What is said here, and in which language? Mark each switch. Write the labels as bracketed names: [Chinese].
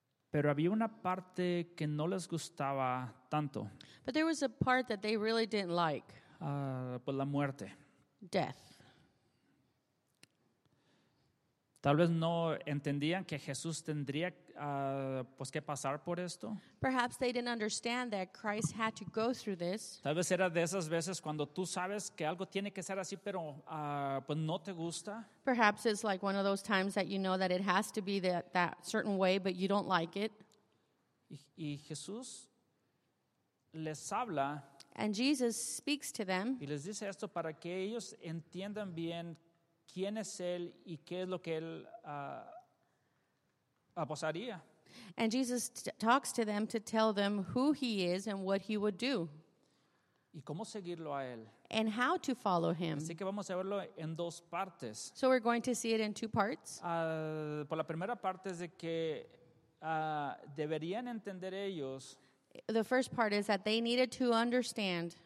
[Spanish] Pero había una parte que no les gustaba tanto. [English] But there was a part that they really didn't like. [Spanish] Pues la muerte. [English] Death. [Spanish] Tal vez no entendían que Jesús tendría pues que pasar por esto. [English] Perhaps they didn't understand that Christ had to go through this. [Spanish] Tal vez era de esas veces cuando tú sabes que algo tiene que ser así, pero pues no te gusta. [English] Perhaps it's like one of those times that you know that it has to be that certain way, but you don't like it. [Spanish] Y Jesús les habla. [English] And Jesus speaks to them. [Spanish] Y les dice esto para que ellos entiendan bien quién es él y qué es lo que él aposaría. [English] And Jesus talks to them to tell them who he is and what he would do. [Spanish] Y cómo seguirlo a él. [English] And how to follow him. [Spanish] Así que vamos a verlo en dos partes. [English] So we're going to see it in two parts. [Spanish] Por la primera parte es de que deberían entender ellos. [English] The first part is that they needed to understand